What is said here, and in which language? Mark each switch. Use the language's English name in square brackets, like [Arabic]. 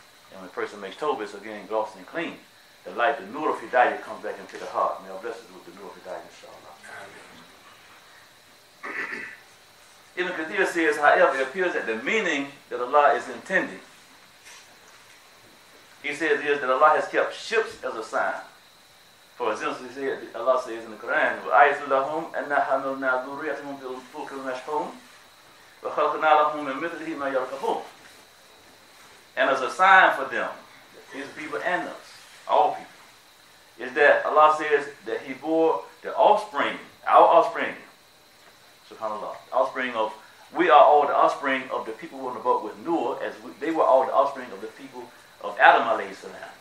[English] And when a person makes Tawbah, it's again glossed and clean. The light, the Nur of Hidayah comes back into the heart. May Allah bless us with the Nur of Hidayah, inshallah. Ibn Kathir says, however, it appears that the meaning that Allah is intending, he says, is that Allah has kept ships as a sign. For example, he said, Allah says in the Quran, [Arabic] وَعَيْتُ لَهُمْ أَنَّا حَمَلْنَا ذُرِّيَّتَهُمْ فِي الْفُلْكِ الْمَشْحُونِ وَخَلْقْنَا لَهُمْ مِنْ مِثْلِهِ مَا يَرْكَبُونَ. [English] And as a sign for them, his people and us, all people, is that Allah says that he bore the offspring, our offspring, SubhanAllah, offspring of, we are all the offspring of the people who were on the boat with Noah, as we, they were all the offspring of the people of Adam alayhi salam.